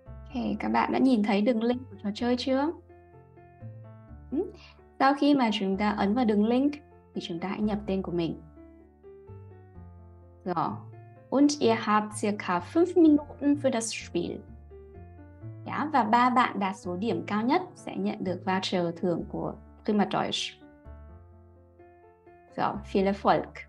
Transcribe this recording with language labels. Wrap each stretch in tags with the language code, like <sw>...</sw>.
<vi>Hey, các bạn đã nhìn thấy đường link của trò chơi chưa? Sau khi mà chúng ta ấn vào đường link thì chúng ta hãy nhập tên của mình. Rồi.</vi> <de>Und ihr habt circa 5 Minuten für das Spiel.</de> <vi>Yeah, và ba bạn đạt số điểm cao nhất sẽ nhận được voucher thưởng của Prima Deutsch. Rồi,</vi> <de>viel Erfolg.</de>